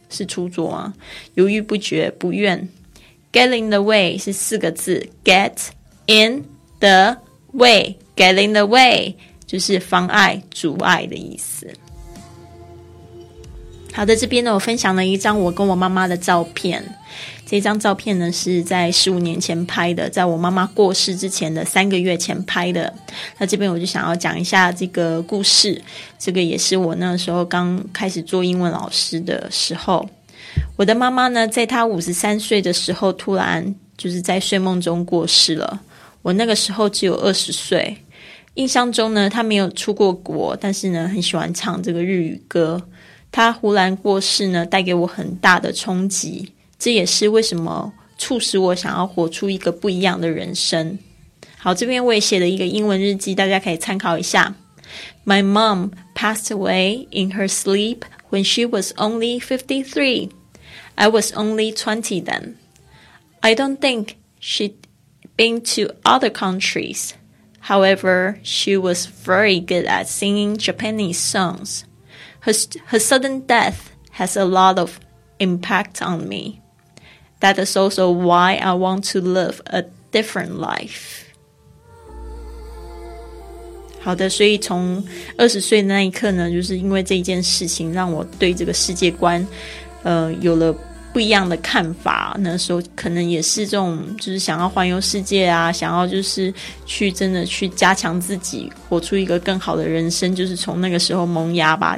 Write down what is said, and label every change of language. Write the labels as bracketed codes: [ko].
[zh] 是出租啊，犹豫不决不愿。 [en] Get in the way [zh] 是四个字， [en] Get in the way， Get in the way [zh] 就是妨碍阻碍的意思。好的，这边呢我分享了一张我跟我妈妈的照片，这张照片呢是在15年前拍的，在我妈妈过世之前的三个月前拍的。那这边我就想要讲一下这个故事，这个也是我那时候刚开始做英文老师的时候。我的妈妈呢在她53岁的时候突然就是在睡梦中过世了，我那个时候只有20岁。印象中呢她没有出过国，但是呢很喜欢唱这个日语歌。她忽然过世呢带给我很大的冲击，这也是为什么促使我想要活出一个不一样的人生。好，这边我也写了一个英文日记，大家可以参考一下。 [en] My mom passed away in her sleep when she was only 53. I was only 20 then. I don't think she'd been to other countries. However, she was very good at singing Japanese songs. Her sudden death has a lot of impact on me. That is also why I want to live a different life. [zh] 好的，所以从20岁的那一刻呢，就是因为这件事情让我对这个世界观有了不一样的看法。那时候可能也是这种就是想要环游世界啊，想要就是去真的去加强自己，活出一个更好的人生，就是从那个时候萌芽吧。